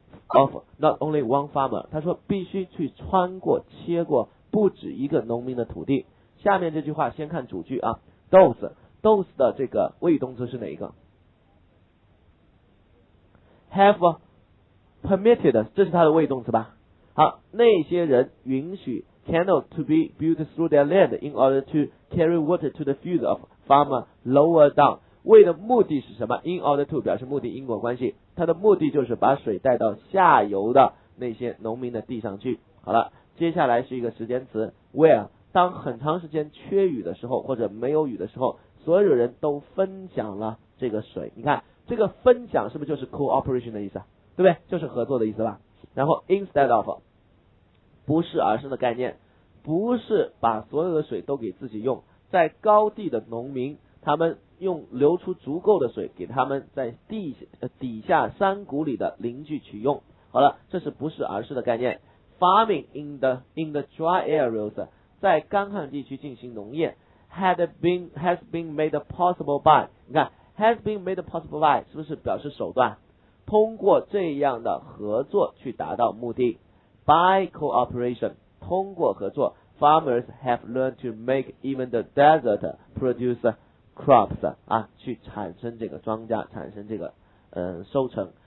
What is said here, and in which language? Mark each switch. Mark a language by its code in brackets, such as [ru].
[en] Of not only one farmer， [zh] 他说必须去穿过、切过不止一个农民的土地。下面这句话先看主句啊 ，those 的这个谓语动词是哪一个 ？ [en] Have permitted， [zh] 这是它的谓语动词吧？ [en] 好， [zh] 那些人允许 [en] canal to be built through their land in order to carry water to the field of farmer lower down。 [zh] 为的目的是什么 ？ [en] In order to [zh] 表示目的，因果关系。它的目的就是把水带到下游的那些农民的地上去。好了，接下来是一个时间词 ，where， 当很长时间缺雨的时候或者没有雨的时候，所有人都分享了这个水。你看，这个分享是不是就是 cooperation 的意思？对不对？就是合作的意思吧。然后 instead of， 不是而是的概念，不是把所有的水都给自己用，在高地的农民他们。用流出足够的水给他们在底下山谷里的邻居取用。好了，这是不是而是的概念。 [en] Farming in the dry areas， [zh] 在干旱地区进行农业 [en] has been made possible by， 你看 has been made possible by [zh] 是不是表示手段？通过这样的合作去达到目的。 [en] By cooperation， [zh] 通过合作 [en] ，farmers have learned to make even the desert produce。 [zh] crops 啊，去产生这个庄稼，产生这个收成。